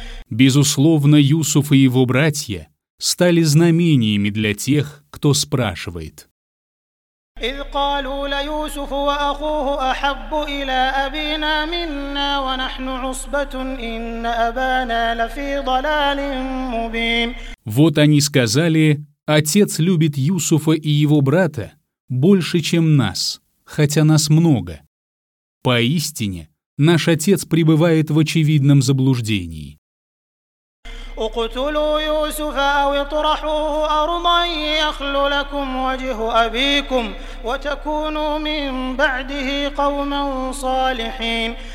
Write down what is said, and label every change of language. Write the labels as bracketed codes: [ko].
[ru] Безусловно, Юсуф и его братья стали знамениями для тех, кто спрашивает. [ar] إذ قالوا ليوسف وأخوه أحب إلى أبينا منا ونحن عصبة إن أبانا لفي ضلال مبين. [ru] Вот они сказали: «Отец любит Юсуфа и его брата больше, чем нас, хотя нас много. Поистине, наш отец пребывает в очевидном заблуждении». [ar] اقتلوا يوسف او اطرحوه ارضا يخل لكم وجه ابيكم وتكونوا من بعده قوما صالحين.